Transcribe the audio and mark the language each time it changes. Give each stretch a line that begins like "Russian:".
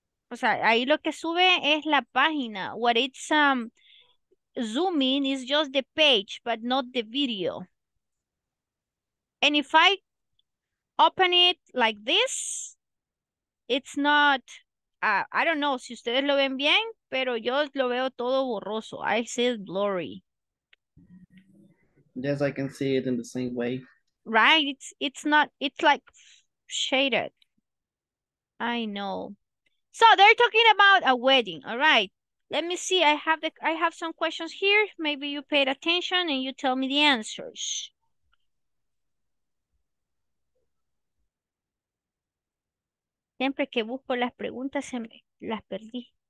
Spanish: O sea, ahí lo que sube es la página.
English: What it's, zooming is just the page, but not the video. And if I open it like this, it's not I don't know
Spanish: si ustedes lo ven bien, pero yo lo veo todo borroso.
English: I see it blurry. Yes, I can see it in the same way. Right, it's not, it's like shaded. I know. So they're talking about a wedding. All right, let me see. I have some questions here. Maybe you paid attention and you tell me the answers.
Spanish: Siempre que busco las preguntas, se me las perdí.